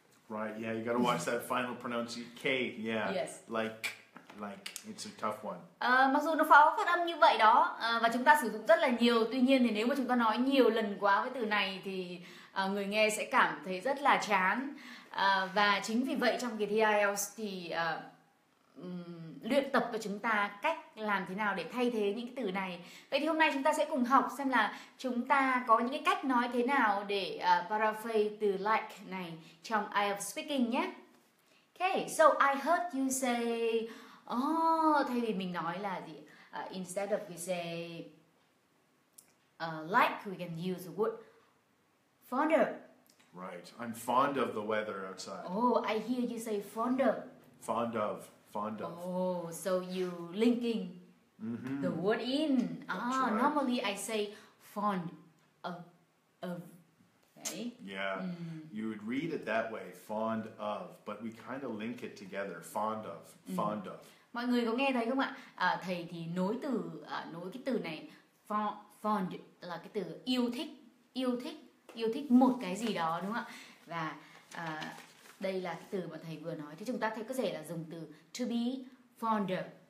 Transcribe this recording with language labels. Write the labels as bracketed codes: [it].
[en] Right, yeah, you gotta watch that final pronunciation, K, yeah. Yes. Like, it's a tough one. [vi] Mặc dù nó khó phát âm như vậy đó, và chúng ta sử dụng rất là nhiều. Tuy nhiên thì nếu mà chúng ta nói nhiều lần quá với từ này thì người nghe sẽ cảm thấy rất là chán. Và chính vì vậy trong kỳ thi IELTS thì luyện tập cho chúng ta cách làm thế nào để thay thế những cái từ này. Vậy thì hôm nay chúng ta sẽ cùng học xem là chúng ta có những cái cách nói thế nào để paraphrase từ like này trong IELTS speaking nhé. [en] Okay, so I heard you say, [vi] thay vì mình nói là gì? [en] Instead of we say like, we can use the word fond of. Right, I'm fond of the weather outside. Oh, I hear you say fond of. Fond of. Oh, so you linking the word in. That's right. Normally I say fond of. Yeah, you would read it that way, fond of, but we kind of link it together, fond of. [vi] Mọi người có nghe thấy không ạ? Thầy thì nối từ, nối cái từ này, fond là cái từ yêu thích một cái gì đó, đúng không ạ? Và đây là cái từ mà thầy vừa nói, thì chúng ta thấy có thể là dùng từ to be fond of.